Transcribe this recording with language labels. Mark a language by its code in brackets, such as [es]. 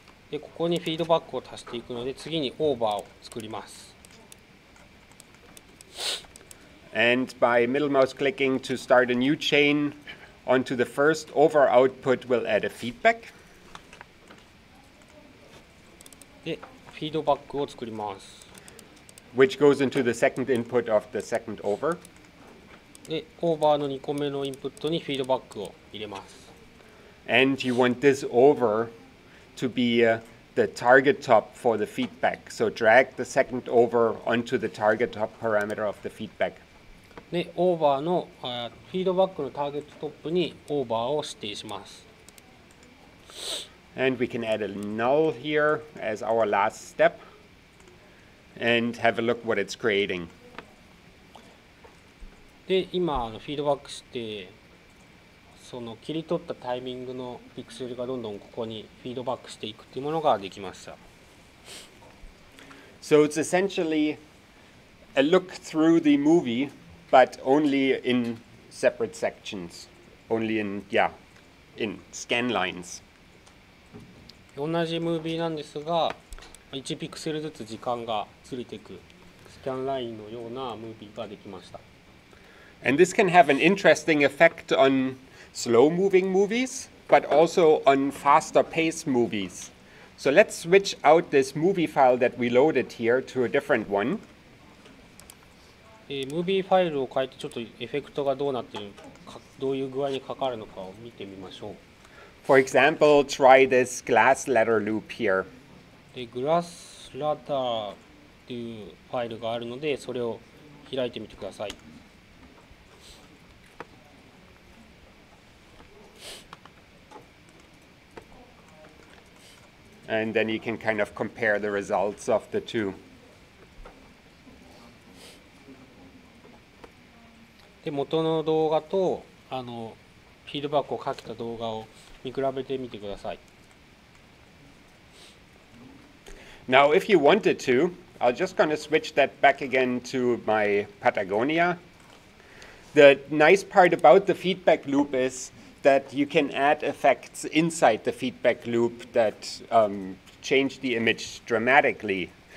[ja] で、ここにフィードバックを足していくので、次にオーバーを作ります。 [en] And by middle mouse clicking to start a new chain onto the first over output, we'll add a feedback. [ja] で、フィードバックを作ります。 [en] Which goes into the second input of the second over. [ja] で、オーバーの2個目のインプットにフィードバックを入れます。 [en] And you want this over to be the target top for the feedback. So drag the second over onto the target top parameter of the feedback. [ja] で、オーバーの、フィードバックのターゲットトップにオーバーを指定します。 [en] And we can add a null here as our last step and have a look what it's creating. [ja] で、今フィードバックしてその切り取ったタイミングのピクセルがどんどんここにフィードバックしていくというものができました。 [en] So it's essentially a look through the movie, but only in separate sections, only in, yeah, in scan lines. [ja] 同じムービーなんですが、1ピクセルずつ時間がずれていくスキャンラインのようなムービーができました。 [en] And this can have an interesting effect on slow-moving movies, but also on faster-paced movies. So let's switch out this movie file that we loaded here to a different one. [ja] ムービーファイルを変えてちょっとエフェクトがどうなっているか、どういう具合にかかるのかを見てみましょう。 [en] For example, try this glass letter loop here. [ja] The glass letter というファイルがあるので、それを開いてみてください。 [en] And then you can kind of compare the results of the two. [ja] で、元の動画とあのフィードバックをかけた動画を見比べてみてください。 [en] Now, if you wanted to, I'm just going to switch that back again to my Patagonia. The nice part about the feedback loop is that you can add effects inside the feedback loop that change the image dramatically.